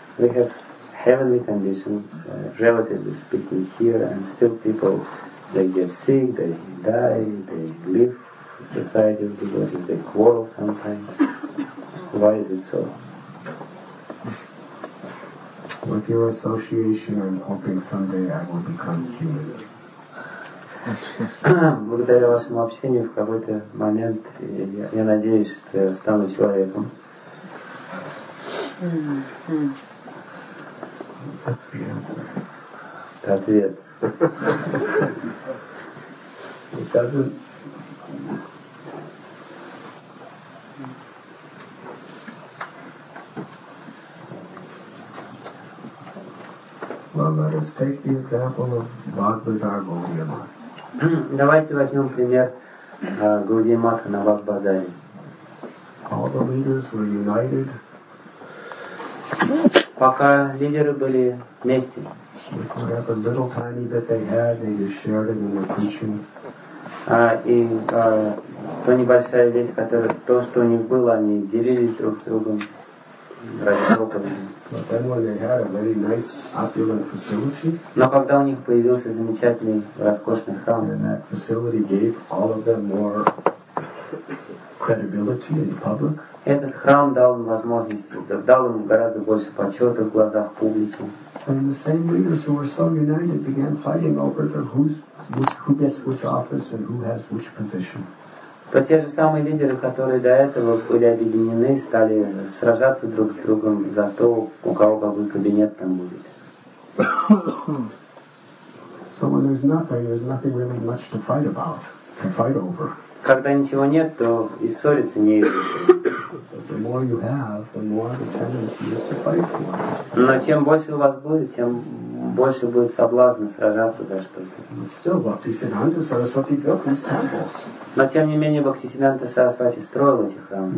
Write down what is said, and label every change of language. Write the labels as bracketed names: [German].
[English] We have heavenly conditions, relatively speaking, here, and still people, they get sick, they die, they leave the society of devotees, they quarrel sometimes. Why is it so? With your association, I'm hoping someday I will become human. [Russian] Благодаря вашему общению в какой-то момент я надеюсь, что я стану человеком. [English] That's the answer. [Russian] Это ответ. [English] It doesn't. Well, let us take the example of Bhag Bazar Goliath. [Russian] Давайте возьмем пример Гауди Матха на Баг-базаре. [English] All the leaders were united. [Russian] Пока лидеры были вместе. [English] With whatever little tiny bit they had, they just shared it and were teaching. [Russian] То небольшая вещь, которая то, что у них было, они делились друг с другом ради опыта. [English] But then when they had a very nice, opulent facility, [Russian] но когда у них появился замечательный, роскошный храм, [English] then that facility gave all of them more credibility in the public. [Russian] Этот храм дал им возможность, дал им гораздо больше почета в глазах публики. [English] And the same leaders who were so united began fighting over the who gets which office and who has which position. [Russian] То те же самые лидеры, которые до этого были объединены, стали сражаться друг с другом за то, у кого какой кабинет там будет. [English] So when there's nothing, there's nothing really much to fight about, to fight over. [Russian] Когда ничего нет, то и ссориться не из-за чего. [English] The more you have, the more the tendency is to fight for. [Russian] Но чем больше у вас будет, тем больше будет соблазна сражаться за что-то. [English] Still, Bhaktisiddhanta Saraswati built these temples. [Russian] Но тем не менее Бхактисиддханта Сарасвати строил эти храмы.